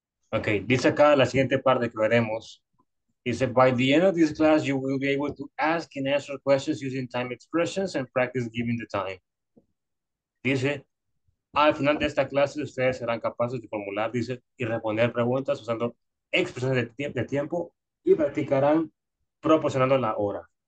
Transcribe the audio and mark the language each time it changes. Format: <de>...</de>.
<es>Okay, dice acá la siguiente parte que veremos. Dice,</es> <en>by the end of this class, you will be able to ask and answer questions using time expressions and practice giving the time.</en> <es>Dice, al final de esta clase, ustedes serán capaces de formular, dice, y responder preguntas usando expresiones de tiempo y practicarán proporcionando la hora.</es>